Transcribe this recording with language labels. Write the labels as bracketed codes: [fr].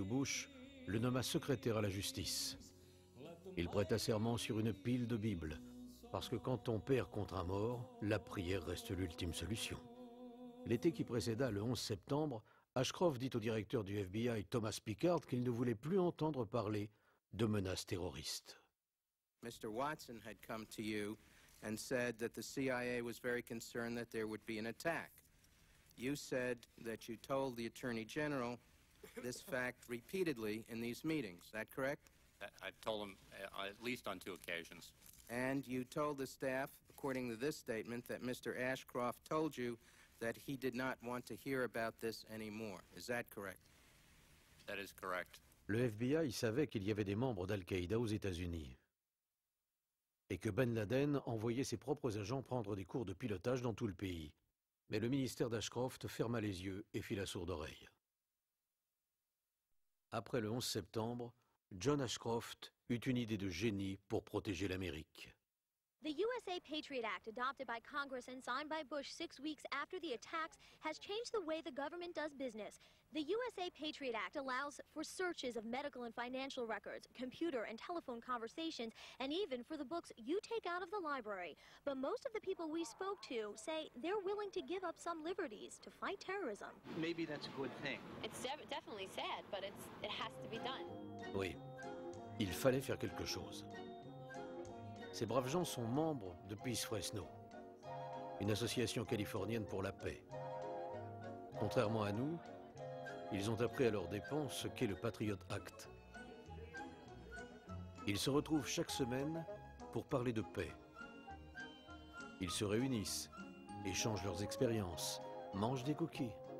[fr] Bush le nomma secrétaire à la justice. Il prêta serment sur une pile de Bibles, parce que quand on perd contre un mort, la prière reste l'ultime solution. L'été qui précéda, le 11 septembre, Ashcroft dit au directeur du FBI, Thomas Pickard, qu'il ne voulait plus entendre parler de menaces terroristes. [en] Mr. Watson had come to you and said that the CIA was very concerned that there would be an attack. You said that you told the Attorney General this fact repeatedly in these meetings. Is that correct? I told him at least on two occasions. And you told the staff, according to this statement, that Mr. Ashcroft told you that he did not want to hear about this anymore. Is that correct? That is correct. [fr] Le FBI savait qu'il y avait des membres d'Al-Qaïda aux États-Unis et que Ben Laden envoyait ses propres agents prendre des cours de pilotage dans tout le pays. Mais le ministère d'Ashcroft ferma les yeux et fit la sourde oreille. Après le 11 septembre, John Ashcroft eut une idée de génie pour protéger l'Amérique. [en] The USA Patriot Act, adopted by Congress and signed by Bush 6 weeks after the attacks, has changed the way the government does business. The USA Patriot Act allows for searches of medical and financial records, computer and telephone conversations, and even for the books you take out of the library. But most of the people we spoke to say they're willing to give up some liberties to fight terrorism. Maybe that's a good thing. It's definitely sad, but it has to be done. [fr] Oui, il fallait faire quelque chose. Ces braves gens sont membres de Peace Fresno, une association californienne pour la paix. Contrairement à nous, ils ont appris à leurs dépens ce qu'est le Patriot Act. Ils se retrouvent chaque semaine pour parler de paix. Ils se réunissent, échangent leurs expériences, mangent des cookies.